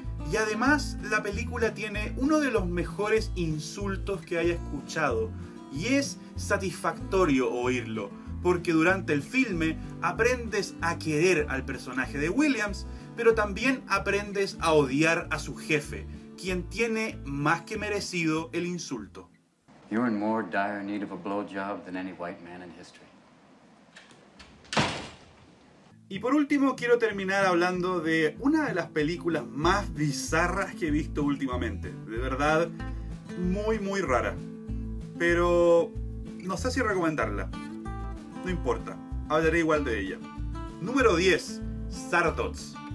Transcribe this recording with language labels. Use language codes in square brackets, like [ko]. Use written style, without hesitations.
[es] Y además, la película tiene uno de los mejores insultos que haya escuchado, y es satisfactorio oírlo, porque durante el filme aprendes a querer al personaje de Williams, pero también aprendes a odiar a su jefe, quien tiene más que merecido el insulto. [en] You're in more dire need of a blowjob than any white man in history. [es] Y por último, quiero terminar hablando de una de las películas más bizarras que he visto últimamente. De verdad, muy muy rara. Pero no sé si recomendarla. No importa, hablaré igual de ella. Número 10. Sartots.